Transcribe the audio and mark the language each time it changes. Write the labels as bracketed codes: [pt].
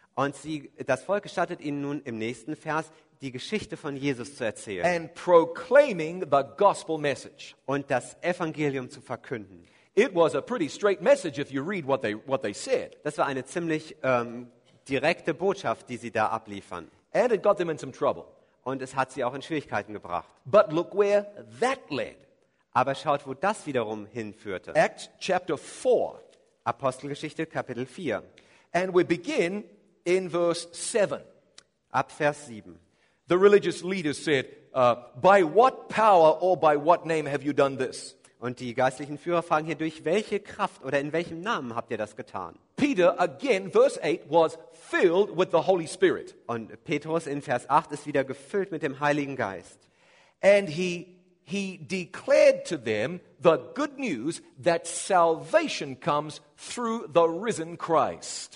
[de] Und sie, das Volk gestattet ihnen nun im nächsten Vers die Geschichte von Jesus zu erzählen. [en] And proclaiming the gospel message. [de] Und das Evangelium zu verkünden. [en] It was a pretty straight message if you read what they said. [de] Das war eine ziemlich direkte Botschaft, die sie da abliefern. [en] And it got them in some trouble. [de] Und es hat sie auch in Schwierigkeiten gebracht. [en] But look where that led. [de] Aber schaut, wo das wiederum hinführte. [en] Acts chapter 4. [de] Apostelgeschichte Kapitel 4. [en] And we begin in verse 7. [de] Ab Vers 7. [en] The religious leaders said, by what power or by what name have you done this? [de] Und die geistlichen Führer fragen hier, durch welche Kraft oder in welchem Namen habt ihr das getan? [en] Peter again, verse 8, was filled with the Holy Spirit. [de] Und Petrus in Vers 8 ist wieder gefüllt mit dem Heiligen Geist. [en] And he declared to them the good news that salvation comes through the risen Christ.